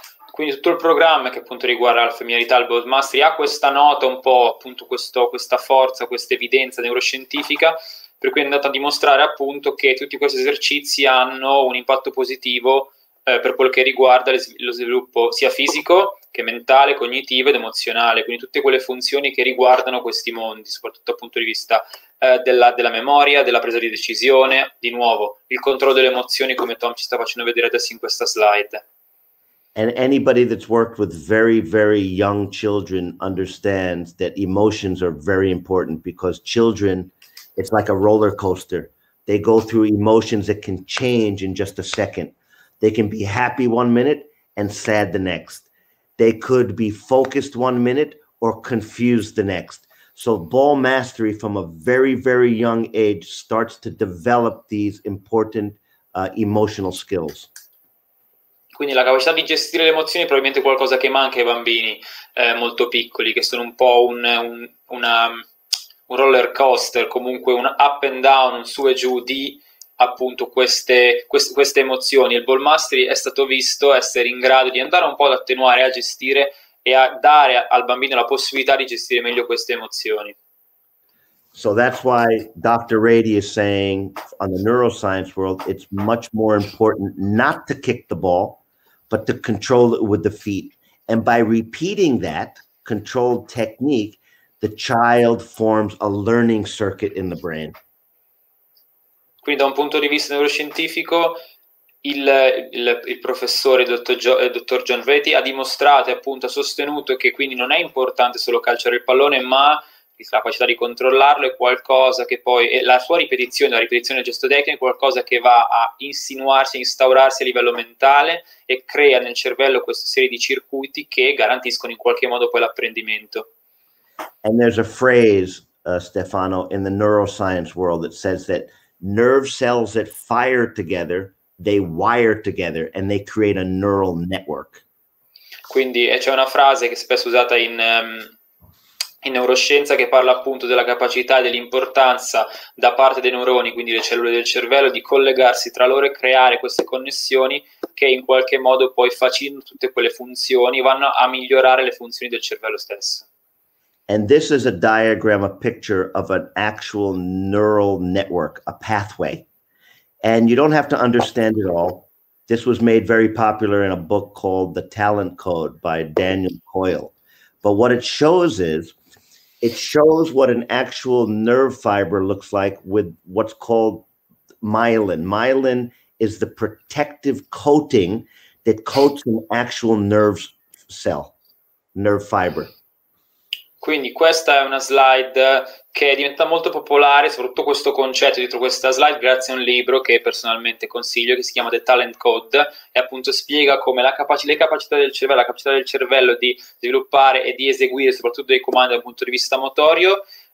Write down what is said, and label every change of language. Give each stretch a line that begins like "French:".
Italian: Quindi tutto il programma che appunto riguarda la familiarità, il ball mastery, ha questa nota un po', appunto questa forza, questa evidenza neuroscientifica, per cui è andata a dimostrare appunto che tutti questi esercizi hanno un impatto positivo per quello che riguarda lo sviluppo sia fisico che mentale, cognitivo ed emozionale, quindi tutte quelle funzioni che riguardano questi mondi, soprattutto dal punto di vista della memoria, della presa di decisione, di nuovo, il controllo delle emozioni come Tom ci sta facendo vedere adesso in questa slide.
English: And anybody that's worked with very, very young children understands that emotions are very important, because children, it's like a roller coaster. They go through emotions that can change in just a second. They can be happy 1 minute and sad the next. They could be focused 1 minute or confused the next. So ball mastery from a very, very young age starts to develop these important emotional skills.
Italian: Quindi la capacità di gestire le emozioni è probabilmente qualcosa che manca ai bambini molto piccoli, che sono un po' un roller coaster, comunque un
English: up and down,
Italian: un su e giù di appunto queste emozioni. Il ball mastery è stato visto essere in grado di andare un po' ad attenuare, a gestire e a dare al bambino la possibilità di gestire meglio queste emozioni.
English: So that's why Dr. Rady is saying on the neuroscience world, it's much more important not to kick the ball, but to control it with the feet. And by repeating that controlled technique, the child forms a learning circuit in the brain.
Italian: Quindi da un punto di vista neuroscientifico, il professore dottor John Rady ha dimostrato e appunto ha sostenuto che quindi non è importante solo calciare il pallone, ma la capacità di controllarlo è qualcosa che poi, e la sua ripetizione, la ripetizione del gesto tecnico è qualcosa che va a insinuarsi, a instaurarsi a livello mentale e crea nel cervello questa serie di circuiti che garantiscono in qualche modo poi l'apprendimento.
English: And there's a phrase, Stefano, in the neuroscience world that says that nerve cells that fire together, they wire together and they create a neural network.
Italian: Quindi c'è una frase che è spesso usata in neuroscienza che parla appunto della capacità e dell'importanza da parte dei neuroni, quindi le cellule del cervello, di collegarsi tra loro e creare queste connessioni che in qualche modo poi facilitano tutte quelle funzioni, vanno a migliorare le funzioni del cervello stesso.
English: And this is a diagram, a picture of an actual neural network, a pathway. And you don't have to understand it all. This was made very popular in a book called The Talent Code by Daniel Coyle. But what it shows is, it shows what an actual nerve fiber looks like with what's called myelin. Myelin is the protective coating that coats an actual nerve cell, nerve fiber.
Italian: Quindi questa è una slide che diventa molto popolare, soprattutto questo concetto dietro questa slide, grazie a un libro che personalmente consiglio, che si chiama The Talent Code, e appunto spiega come le capacità del cervello, la capacità del cervello di sviluppare e di eseguire soprattutto dei comandi dal punto di vista motorio,